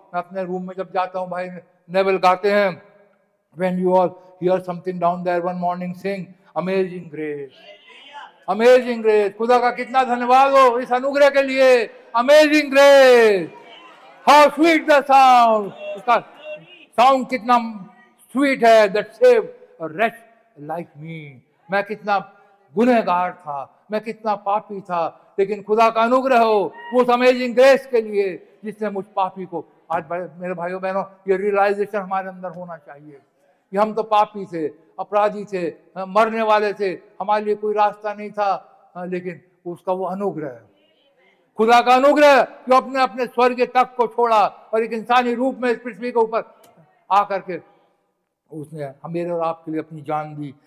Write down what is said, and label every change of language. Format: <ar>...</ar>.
<hi>मैं अपने रूम में जब जाता हूँ भाई नेवल गाते हैं.</hi> <en>When you all hear something down there one morning, sing Amazing Grace. Amazing Grace.</en> <hi>खुदा का कितना धन्यवाद हो इस अनुग्रह के लिए.</hi> <en>Amazing Grace. How sweet the sound.</en> <hi>उसका sound कितना sweet है</hi> <en>that saved a wretch like me.</en> <hi>मैं कितना गुनहगार था, मैं कितना पापी था, लेकिन खुदा का अनुग्रह हो उस अमेजिंग ग्रेस के लिए जिसने मुझ पापी को. आज मेरे भाइयों बहनों ये रियलाइजेशन हमारे अंदर होना चाहिए कि हम तो पापी थे, अपराधी थे, मरने वाले थे, हमारे लिए कोई रास्ता नहीं था, लेकिन उसका वो अनुग्रह, खुदा का अनुग्रह जो अपने अपने स्वर्ग तक को छोड़ा और एक इंसानी रूप में इस पृथ्वी के ऊपर आ करके उसने हमारे और आपके लिए अपनी जान दी.</hi>